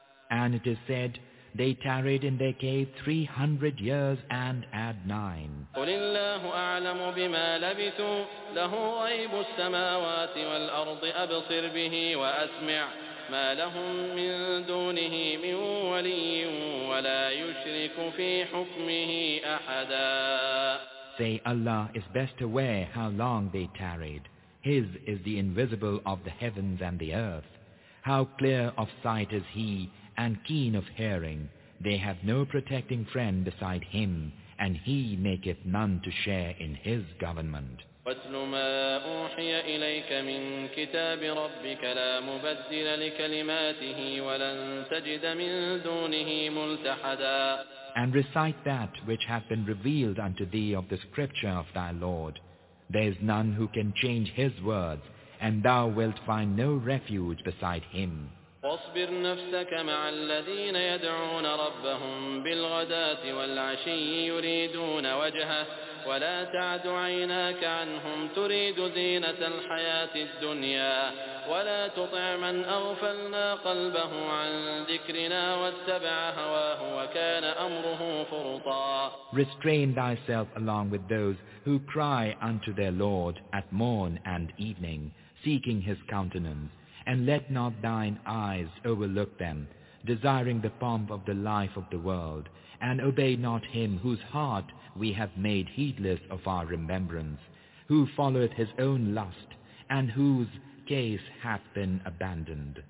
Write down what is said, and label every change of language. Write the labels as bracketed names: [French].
[English] And it is said, They tarried in their cave 300 years and add 9. [Arabic] قل الله أعلم بما لبثوا له غيب السماوات والأرض أبصر به وأسمع ما لهم من دونه من ولي ولا يشرك في حكمه أحدا [English] Say Allah is best aware how long they tarried. His is the invisible of the heavens and the earth. How clear of sight is he and keen of hearing. They have no protecting friend beside him, and he maketh none to share in his government. [Arabic] وَاتْلُ مَا أُوحِيَ إِلَيْكَ مِنْ كِتَابِ رَبِّكَ لَا مُبَدِّلَ لِكَلِمَاتِهِ وَلَنْ تَجِدَ مِنْ دُونِهِ مُلْتَحَدًا [English] And recite that which hath been revealed unto thee of the scripture of thy Lord. There is none who can change his words, and thou wilt find no refuge beside him. [Arabic] واصبر نفسك مع الذين يدعون ربهم بالغداة والعشي يريدون وجهه ولا تعد عيناك عنهم تريد زينة الحياة الدنيا ولا تطع من أغفلنا قلبه عن ذكرنا واتبع هواه وكان أمره فرطا [English] Restrain thyself along with those who cry unto their Lord at morn and evening, seeking his countenance. And let not thine eyes overlook them, desiring the pomp of the life of the world, and obey not him whose heart we have made heedless of our remembrance, who followeth his own lust, and whose case hath been abandoned.